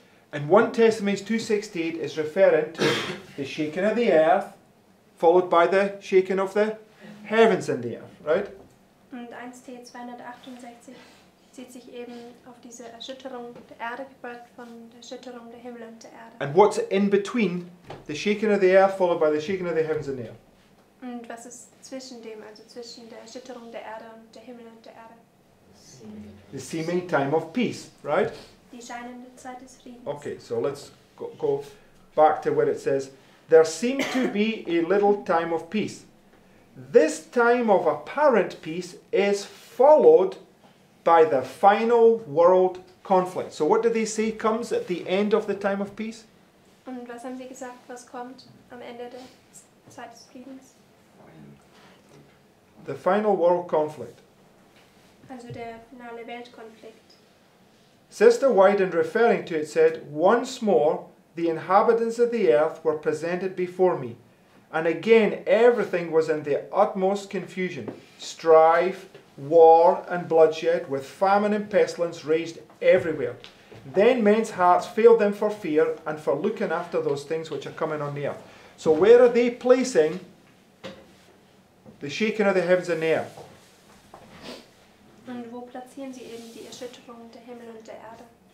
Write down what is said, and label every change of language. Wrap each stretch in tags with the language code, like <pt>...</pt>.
<en>And 1 Testimonies 268 is referring to the shaking of the earth, followed by the shaking of the heavens and the earth, right?</en> <de>Und 1T268 bezieht sich eben auf diese Erschütterung der Erde, gefolgt von der Erschütterung der Himmel und der Erde.</de> <en>And what's in between the shaking of the earth followed by the shaking of the heavens and the earth?</en> <de>Und was ist zwischen dem, also zwischen der Erschütterung der Erde und der Himmel und der Erde?</de> <en>The seeming time of peace, right?</en> <de>Die scheinende Zeit des Friedens.</de> <en>Okay, so let's go back to where it says, there seemed to be a little time of peace. This time of apparent peace is followed by the final world conflict. So what do they say comes at the end of the time of peace?</en> <de>Und was haben sie gesagt, was kommt am Ende der Zeit des Friedens?</de> <en>The final world conflict.</en> <de>Also der finale Weltkonflikt.</de> <en>Sister White, in referring to it, said, once more the inhabitants of the earth were presented before me. And again, everything was in the utmost confusion. Strife, war and bloodshed, with famine and pestilence raged everywhere. Then men's hearts failed them for fear and for looking after those things which are coming on the earth. So where are they placing the shaking of the heavens and the earth?</en> <de>Und wo platzieren sie eben die Erschütterung der Himmel und der Erde?</de>